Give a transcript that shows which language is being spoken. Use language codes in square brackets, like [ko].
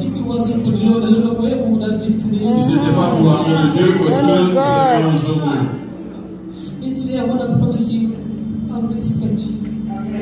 [en] If it wasn't for the Lord, I don't know where we would have been today. [fr] Si c'était pas pour l'amour de Dieu, où est-ce que nous serions aujourd'hui? [en] But today I want to promise you, I will respect you.